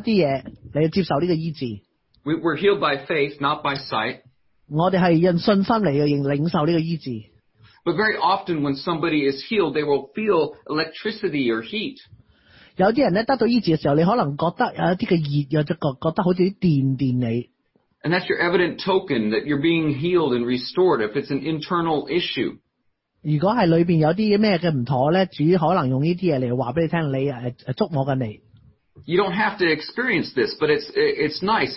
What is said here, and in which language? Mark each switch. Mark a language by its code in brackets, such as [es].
[yue] 你唔使一定要感受到一啲嘢，你要接受呢个医治。 [en] We're healed by faith, not by sight. [yue] 我哋系用信心嚟去领受呢个医治。 [en] But very often when somebody is healed, they will feel electricity or heat. [yue] 有啲人咧得到医治嘅时候，你可能觉得有啲嘅热，又觉得好似啲电电你。 [en] And that's your evident token that you're being healed and restored if it's an internal issue. [yue] 如果係裏面有啲咩嘅唔妥呢，主可能用呢啲嘢嚟話俾你聽，你觸摸緊你。 [en] You don't have to experience this, but it's nice.